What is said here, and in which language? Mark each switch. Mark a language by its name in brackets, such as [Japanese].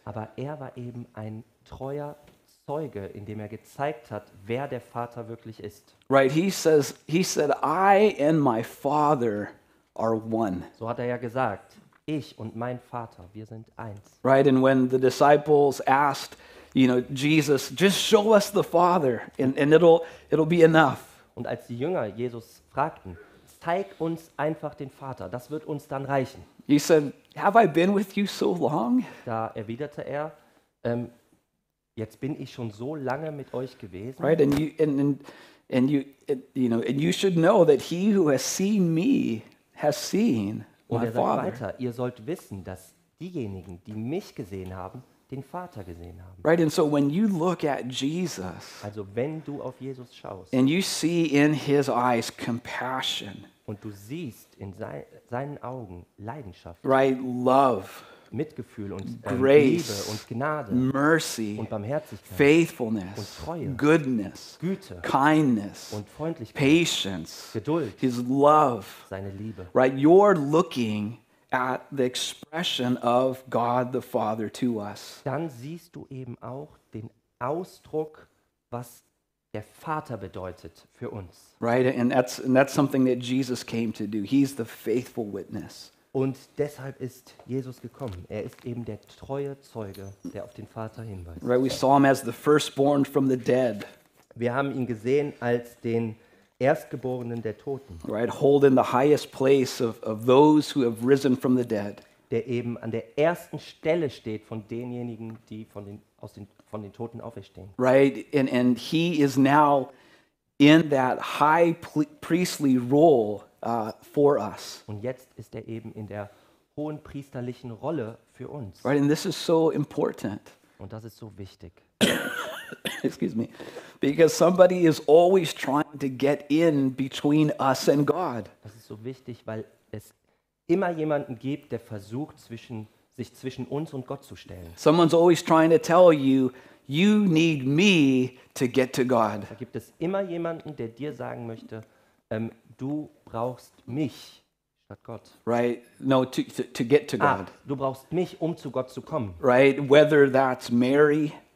[German] Aber er war eben ein treuer Zeuge, indem er gezeigt hat, wer der Vater wirklich ist. [English] Right, he said, I and my Father are one. [German] So hat er ja gesagt, ich und mein Vater, wir sind eins. [English] Right, and when the disciples asked, you know, Jesus, just show us the Father and it'll be enough. [German] Und als die Jünger Jesus fragten, zeig uns einfach den Vater, das wird uns dann reichen. [English] He said, have I been with you so long? [German] Da erwiderte er, jetzt bin ich schon so lange mit euch gewesen. [English] Right, and you, and, and, And you should know that he who has seen me has seen my Father. [German] Und er sagt weiter, ihr sollt wissen, dass diejenigen, die mich gesehen haben, den Vater gesehen haben. [English] Right, and so when you look at Jesus, [German] also wenn du auf Jesus schaust, [English] and you see in his eyes compassion, [German] und du siehst in seinen Augen Leidenschaft, [English] right, love, [German] Mitgefühl und [English] grace, [German] Liebe und Gnade, [English] mercy, [German] und Barmherzigkeit, [English] faithfulness, [German] und Treue, [English] goodness, [German] Güte, [English] kindness, [German] und Freundlichkeit, [English] patience, [German] Geduld, [English] his love, [German] seine Liebe. [English] Right, you're looking at the expression of God the Father to us. [German] Dann siehst du eben auch den Ausdruck, was der Vater bedeutet für uns. [English] Right, and that's something that Jesus came to do. He's the faithful witness. [German] Und deshalb ist Jesus gekommen. Er ist eben der treue Zeuge, der auf den Vater hinweist. [English] Right, we saw him as the firstborn from the dead. [German] Wir haben ihn gesehen als den Erstgeborenen der Toten. [English] Right, holding the highest place of those who have risen from the dead. [German] Der eben an der ersten Stelle steht von denjenigen, die von den Toten auferstehen. [English] Right, and he is now in that high priestly role for us. [German] Und jetzt ist er eben in der hohen priesterlichen Rolle für uns. [English] Right, and this is so important. [German] Und das ist so wichtig. [English] Excuse me. Because somebody is always trying to get in between us and God. [German] Das ist so wichtig, weil es immer jemanden gibt, der versucht, sich zwischen uns und Gott zu stellen. [English] Someone's always trying to tell you need me to get to God. [German] Da gibt es immer jemanden, der dir sagen möchte, du brauchst mich statt Gott. [English] Right, no, to get to God. [German] Du brauchst mich, um zu Gott zu kommen. [English] Right, whether that's Mary,